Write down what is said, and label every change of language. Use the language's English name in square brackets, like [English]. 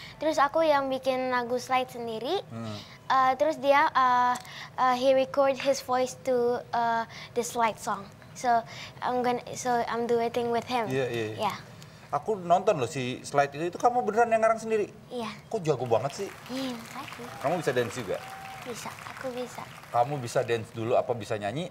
[Indonesian] Terus aku yang bikin lagu slide sendiri. Terus dia [English] he record his voice to the slide song. So I'm duetting with him. Yeah. [Indonesian] Aku nonton loh si slide itu kamu beneran yang ngarang sendiri? Iya. [English] Yeah. [Indonesian] Kok jago banget sih? Kamu bisa dance juga? Bisa, aku bisa. Kamu bisa dance dulu apa bisa nyanyi?